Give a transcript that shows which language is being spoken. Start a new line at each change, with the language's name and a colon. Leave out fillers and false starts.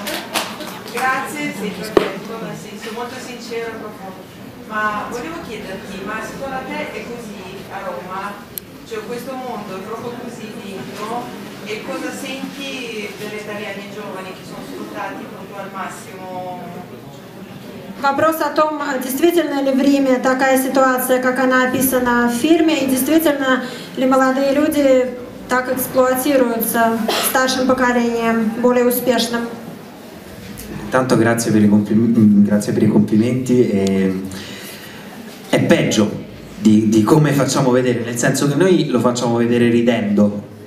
Italian: Grazie, sì, perfetto, nel senso molto sincero, profondo. Ma volevo chiederti, ma secondo te è così a Roma? Cioè questo mondo è proprio così dentro, e cosa senti delle italiane giovani che sono sfruttati proprio al massimo?
Russian: Вопрос о том, действительно ли в Риме такая ситуация, как она описана в фильме, и действительно ли молодые люди так эксплуатируются старшим поколением, более успешным.
Italian: Intanto грazie per i complimenti. È peggio di come facciamo vedere, nel senso che noi lo facciamo vedere ridendo.